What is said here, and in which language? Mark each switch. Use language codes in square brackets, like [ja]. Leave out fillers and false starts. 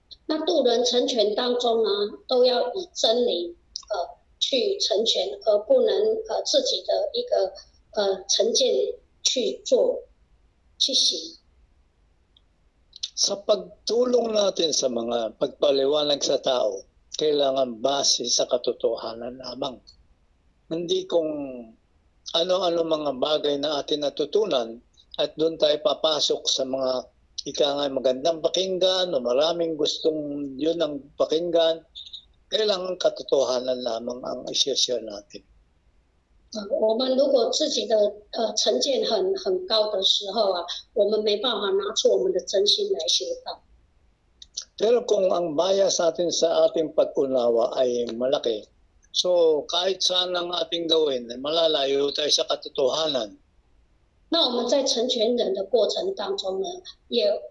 [zh] 那渡人成全当中呢，都要以真理去成全，而不能自己的一个成见去做去行。 [tl] Sa pagtulong natin sa mga pagpaliwanag sa tao,kailangan base sa katotohanan lamang. Hindi kung ano-ano mga bagay na atin natutunan at doon tayo papasok sa mga ikangay magandang pakinggan o maraming gustong yun ang pakinggan, kailangan katotohanan lamang ang isyosyo natin. [zh] 我们如果自己的成见很高的时候啊，我们没办法拿出我们的真心来修道。 [tl] Pero kung ang bias natin sa ating pag-unawa ay malaki, so kahit saan ang ating gawin, malalayo tayo sa katotohanan. [zh] 那我们在成全人的过程当中呢，也